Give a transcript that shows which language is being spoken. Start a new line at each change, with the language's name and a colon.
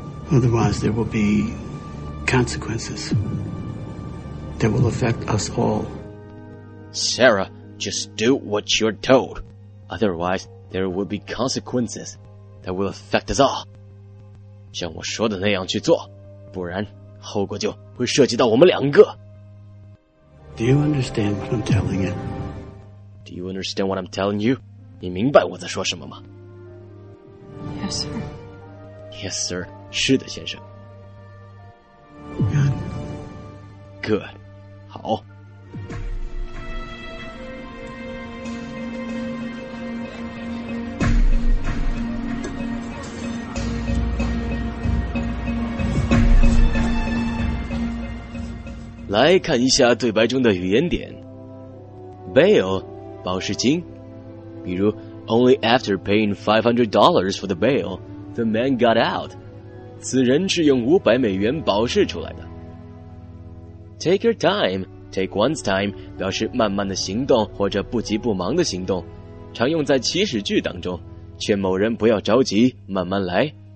English: Otherwise, there will be consequences that will affect us all. Sarah, just do what you're told. Otherwise, there will be consequences that will affect us all.
Chinese: 像我说的那样去做，不然后果就会涉及到我们两个。
English: Do you understand what I'm telling you? Do you understand what I'm telling you?
Chinese: 你明白我在说什么吗？
English: Yes, sir. Yes, sir.
Chinese: 是的，先生。
English: Good. Good.
Chinese: 好。来看一下对白中的语言点。 Bail, 保释金。
English: 比如 ,only after paying $500 for the bail, the man got out.
Chinese: 此人是用500美元保释出来的。
English: Take your time, take one's time,
Chinese: 表示慢慢的行动或者不急不忙的行动。常用在祈使句当中，劝某人不要着急，慢慢来。